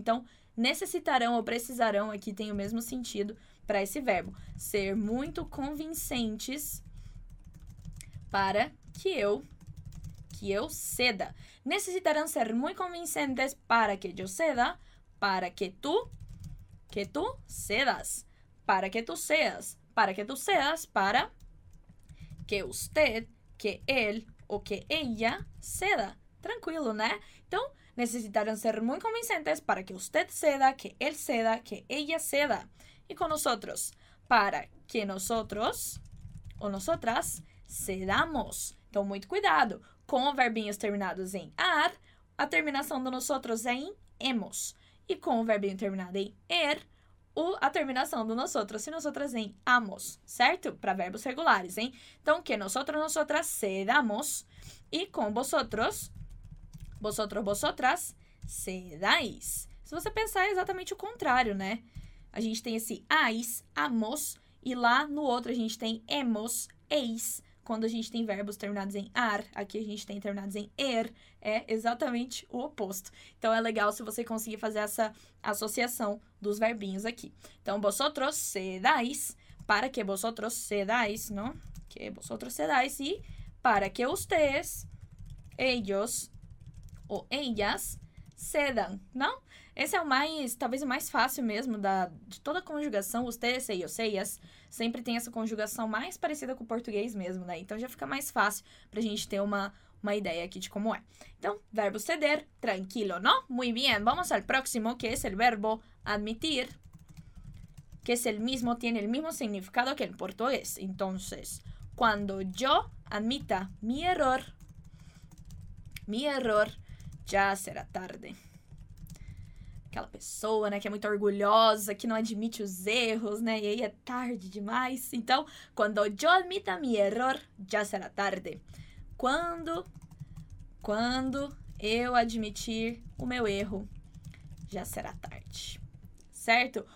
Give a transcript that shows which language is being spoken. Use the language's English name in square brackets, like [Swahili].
[Portuguese] Então, necessitarão ou precisarão, aqui tem o mesmo sentido para esse verbo. Ser muito convincentes para que eu ceda. Necessitarão ser muito convincentes para que eu ceda, para que tu cedas. [Spanish] Para que tú seas, para que tú seas, para que usted, que él o que ella ceda. Tranquilo, ¿no? Entonces, necesitarán ser muy convincentes para que usted ceda, que él ceda, que ella ceda. Y con nosotros, para que nosotros o nosotras Sedamos. [Portuguese] Então, muito cuidado com verbinhos terminados em ar, a terminação do nosotros é em emos. E com o verbinho terminado em er, a terminação do nosotros e nosotras em amos, certo? Para verbos regulares, hein? Então, [Spanish] que nosotros, nosotras, sedamos. [Portuguese] E com vosotros, vosotros, vosotras, sedáis. Se você pensar, é exatamente o contrário, né? A gente tem esse ais, amos, e lá no outro a gente tem emos, eis. Quando a gente tem verbos terminados em ar, aqui a gente tem terminados em er, é exatamente o oposto. Então, é legal se você conseguir fazer essa associação dos verbinhos aqui. Então, [Spanish] vosotros sedáis, para que vosotros sedáis, [Portuguese] não? [Spanish] Que vosotros sedáis, [Portuguese] e para que ustedes, ellos ou ellas, sedan, não? Esse é o mais, talvez o mais fácil mesmo de toda a conjugação, ustedes, ellos, ellas, sempre tem essa conjugação mais parecida com o português mesmo, né? Então, já fica mais fácil pra gente ter uma ideia aqui de como é. Então, verbo ceder, tranquilo, não? [Spanish] Muy bien, vamos al próximo, que es el verbo admitir, que es el mismo, tiene el mismo significado que el portugués. Entonces, cuando yo admita mi error, ya será tarde. [Portuguese] Aquela pessoa, né, que é muito orgulhosa, que não admite os erros, né, e aí é tarde demais. Então, quando [Spanish] yo admita mi error, ya será tarde. [Portuguese] Quando eu admitir o meu erro, já será tarde. Certo?